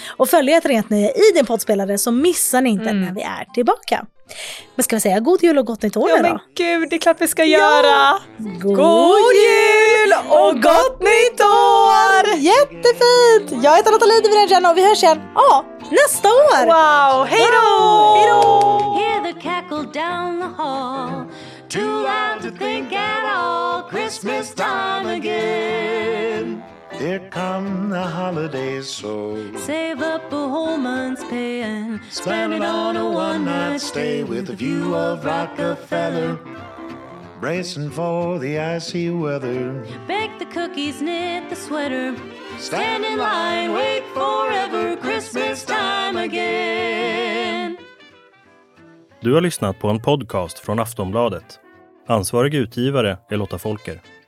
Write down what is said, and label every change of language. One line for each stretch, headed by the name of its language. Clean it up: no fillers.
Swedish: Och följ ett rent nöje i din poddspelare, så missar ni inte när vi är tillbaka. Men ska vi säga god jul och gott nytt år då? Ja, men gud, det är klart vi ska göra. God jul och gott nytt år! Jättefint! Jag heter Nathalie Divinagen och vi hörs igen nästa år! Wow, hej då!
English: Hear the cackle down the hall. Too loud to think at all, Christmas time again. Here come the holidays, so save up a whole month's pay and spend it on a one-night stay with a view of Rockefeller, bracing for the icy weather. Bake the cookies, knit the sweater, stand in line, wait forever, Christmas time again.
Swedish: Du har lyssnat på en podcast från Aftonbladet. Ansvarig utgivare är Lotta Folker.